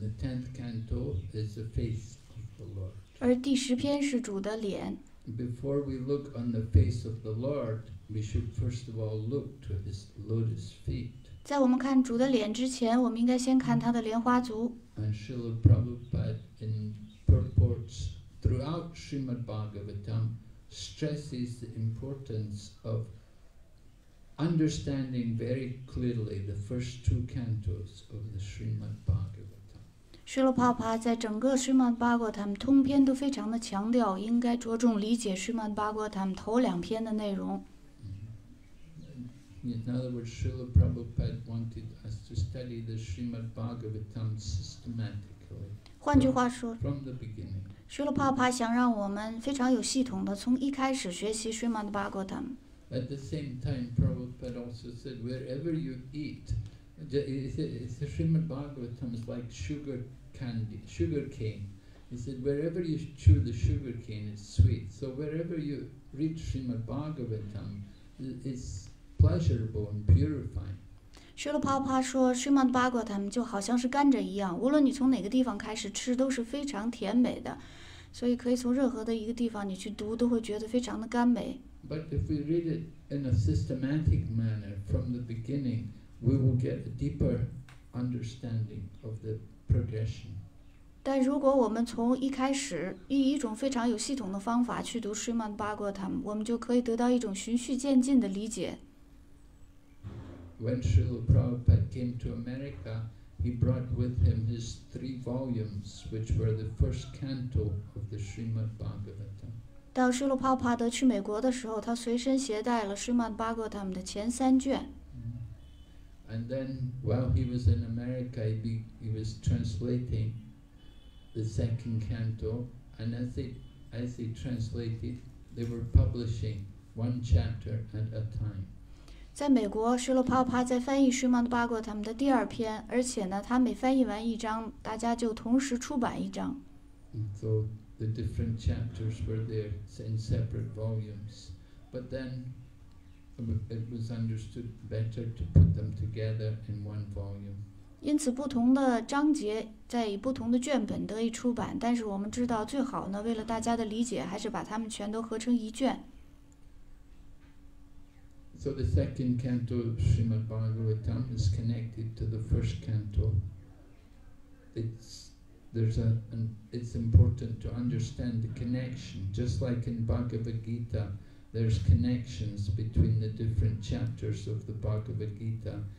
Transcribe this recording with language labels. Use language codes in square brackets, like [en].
[en] the 10th canto is the face of the Lord. [zh] 而第十篇是主的脸。 [en] Before we look on the face of the Lord, we should first of all look to his lotus feet. [zh] 在我们看主的脸之前，我们应该先看他的莲花足。 [en] And Srila Prabhupada in purports throughout Srimad Bhagavatam stresses the importance of understanding very clearly the first two cantos of the Srimad Bhagavatam. [zh] Srila Prabhupada 在整个Srimad-Bhagavatam通篇都非常的强调，应该着重理解 Srimad Bhagavatam头两篇的内容。 [en] In other words, Srila Prabhupada wanted us to study the Srimad Bhagavatam systematically. [zh] 换句话说, [en] from the beginning. [zh] Srila Prabhupada 想让我们非常有系统的从一开始学习 Srimad Bhagavatam. [en] At the same time, Prabhupada also said, wherever you eat, the Srimad Bhagavatam is like sugar candy, sugar cane. He said, wherever you chew the sugar cane, it's sweet. So wherever you read Srimad Bhagavatam, it's pleasurable and purifying. [zh] 学了泡泡说，睡梦八卦他们就好像是甘蔗一样，无论你从哪个地方开始吃，都是非常甜美的，所以可以从任何的一个地方你去读，都会觉得非常的甘美。 [en] But if we read it in a systematic manner from the beginning, we will get a deeper understanding of the progression. [zh] 但如果我们从一开始以一种非常有系统的方法去读 Srimad Bhagavatam, 我们就可以得到一种循序渐进的理解。 [en] When Srila Prabhupada came to America, he brought with him his three volumes, which were the first canto of the Srimad Bhagavatam. [zh] 当舍罗帕帕德去美国的时候，他随身携带了《施曼巴格塔姆》的前三卷。 [en] And then, while he was in America, he was translating the second canto. And as he translated, they were publishing one chapter at a time. [zh] 在美国，舍罗帕帕在翻译《施曼巴格塔姆》的第二篇，而且呢，他每翻译完一章，大家就同时出版一章。 [en] So. The different chapters were there in separate volumes. But then it was understood better to put them together in one volume. [zh] 因此不同的章节在以不同的卷本得以出版，但是我们知道最好呢，为了大家的理解，还是把它们全都合成一卷。 [en] So the second canto of Srimad Bhagavatam is connected to the first canto. It's important to understand the connection. Just like in Bhagavad Gita, there's connections between the different chapters of the Bhagavad Gita.